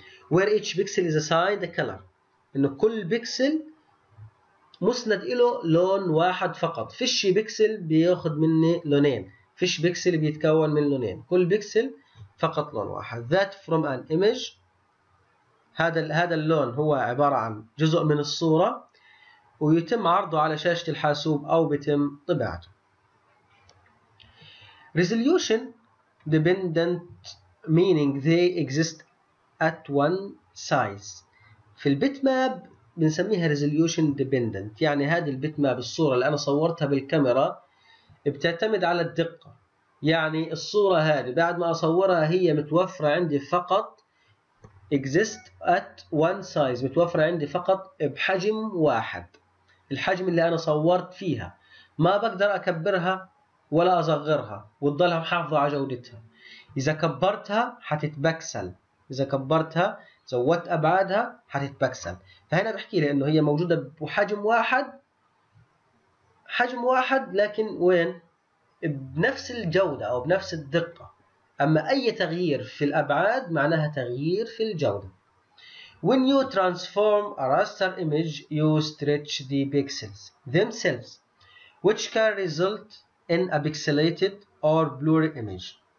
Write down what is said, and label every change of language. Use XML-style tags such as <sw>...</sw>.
<en>Where each pixel is assigned a color،</en> <ar>إنه كل بيكسل مسند إله لون واحد فقط، فيش بيكسل بياخذ مني لونين، فيش بيكسل بيتكون من لونين، كل بيكسل فقط لون واحد.</ar> <en>That from an image،</en> <ar>هذا اللون هو عبارة عن جزء من الصورة ويتم عرضه على شاشة الحاسوب أو بيتم طباعته.</ar> <en>Resolution dependent meaning they exist at one size.</en> <ar>في البيت ماب بنسميها</ar> <en>resolution dependent،</en> <ar>يعني هذه البيت ماب الصورة اللي أنا صورتها بالكاميرا بتعتمد على الدقة، يعني الصورة هذه بعد ما أصورها هي متوفرة عندي فقط</ar> <en>exist at one size،</en> <ar>متوفرة عندي فقط بحجم واحد، الحجم اللي أنا صورت فيها ما بقدر أكبرها ولا أصغرها وتضلها محافظة على جودتها. إذا كبرتها حتتبكسل، إذا كبرتها زودت أبعادها حتتبكسل. فهنا بحكي لي إنه هي موجودة بحجم واحد، حجم واحد لكن وين؟ بنفس الجودة أو بنفس الدقة. أما أي تغيير في الأبعاد معناها تغيير في الجودة.</ar> <en>When you transform a raster image you stretch the pixels themselves which can result in a pixelated or blurry image.</en>